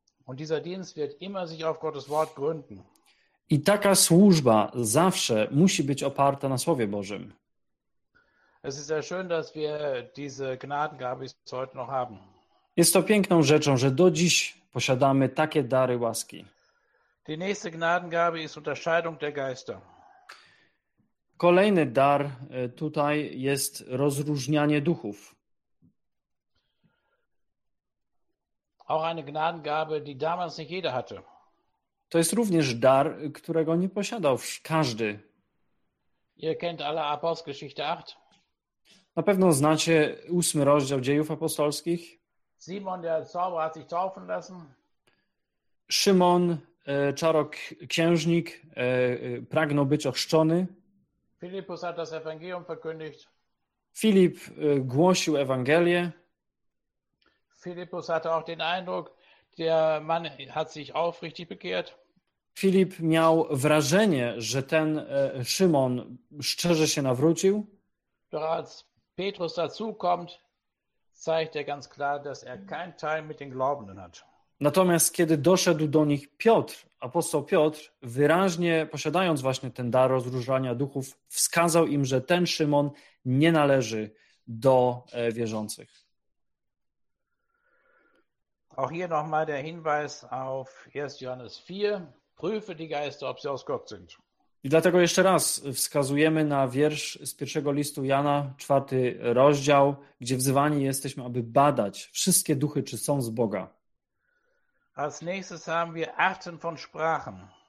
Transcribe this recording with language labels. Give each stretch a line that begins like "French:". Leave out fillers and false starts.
German: Und dieser Dienst wird immer sich auf Gottes Wort gründen.
Polish: I taka służba zawsze musi być oparta na Słowie Bożym.
German: Es ist sehr schön, dass wir diese Gnadengabe heute noch haben.
Polish: Jest to piękną rzeczą, że do dziś posiadamy takie dary łaski.
German: Die nächste Gnadengabe ist Unterscheidung der Geister.
Polish: Kolejny dar tutaj jest rozróżnianie duchów.
German: Auch eine Gnadengabe, die damals nicht jeder hatte.
Polish: To jest również dar, którego nie posiadał każdy.
German: Ihr kennt alle Apostelgeschichte 8.
Polish: Na pewno znacie 8 rozdział Dziejów Apostolskich.
German: Simon der Zauberer hat sich taufen lassen.
Polish: Szymon, czarnoksiężnik, pragnął być ochrzczony.
German: Filipus hat das Evangelium verkündigt.
Polish: Filip głosił Ewangelię.
German: Filipus hatte auch den Eindruck, der Mann hat sich aufrichtig bekehrt.
Polish: Filip miał wrażenie, że ten Szymon szczerze się nawrócił.
German: Doch als Petrus dazu kommt, zeigt er ganz klar, dass er kein Teil mit den Glaubenden hat.
Polish: Natomiast kiedy doszedł do nich Piotr, apostoł Piotr, wyraźnie posiadając właśnie ten dar rozróżniania duchów, wskazał im, że ten Szymon nie należy do wierzących.
German: Auch hier nochmal der Hinweis auf 1. Johannes 4. Prüfe die Geister, ob sie aus Gott sind.
Polish: I dlatego jeszcze raz wskazujemy na wiersz z pierwszego listu Jana, 4 rozdział, gdzie wzywani jesteśmy, aby badać wszystkie duchy, czy są z Boga.
German: Als nächstes haben wir Arten von Sprachen.